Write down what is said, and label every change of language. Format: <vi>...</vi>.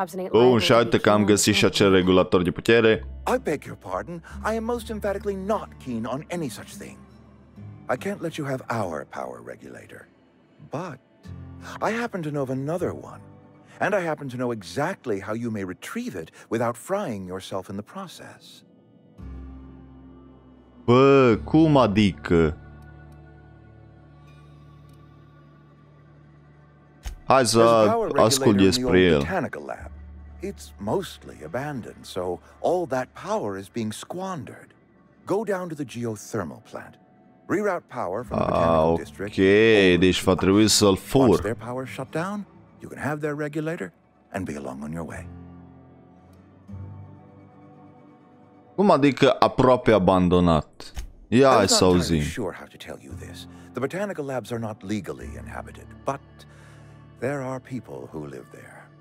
<ro>Bun, și uite că am găsit și acel regulator de putere.</ro> <en>I beg your pardon. I am most emphatically not keen on any such thing. I can't let you have our power regulator. But I happen to know of another one. And I happen to know exactly how you may retrieve it without frying yourself in the process.</en> <ro>Bă, cum adică? Hai să ascult despre el.</ro> <en>It's mostly abandoned, so all that power is being squandered. Go down to the geothermal plant. Reroute power from the botanical district.</en> <ro>Okay, deci va trebui să-l fur.</ro> <en>Once their power shut down, you can have their regulator and be along on your way.</en> <ro>Cum adică aproape abandonat? Ia, hai să auzim.</ro> <en>I'm not sure how to tell you this. The botanical labs are not legally inhabited, but there are people who live there.</en>